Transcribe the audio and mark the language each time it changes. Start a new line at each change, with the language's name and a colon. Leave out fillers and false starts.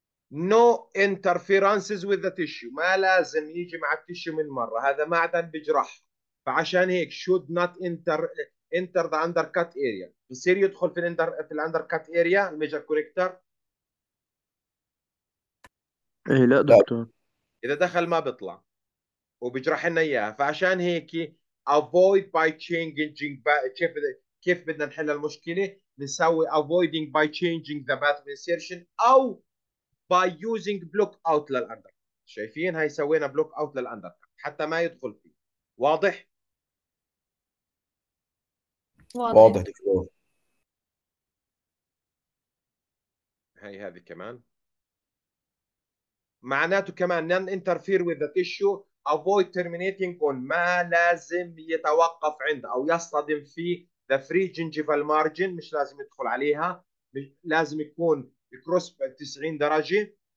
English: No interferences with the tissue،
Arabic: ما لازم يجي مع التشيو من مره، هذا معدن بجرح، فعشان هيك
English: should not enter the undercut area.
Arabic: بصير يدخل في الاندر في الاندركات اريا الميجر كونكتر؟ ايه لا دكتور، اذا دخل ما بيطلع وبيجرح لنا اياها، فعشان هيك
English: avoid by changing.
Arabic: كيف بدنا نحل المشكله؟ نسوي
English: avoiding by changing the path of insertion
Arabic: او by using block out للاندر. شايفين هاي سوينا بلوك اوت للاندر حتى ما يدخل فيه. واضح؟ واضح دكتور. هي هذه كمان معناته كمان
English: non interfere with the tissue avoid terminating on،
Arabic: ما لازم يتوقف عند او يصطدم في
English: the free gingival margin،
Arabic: مش لازم يدخل عليها، لازم يكون cross 90 درجه.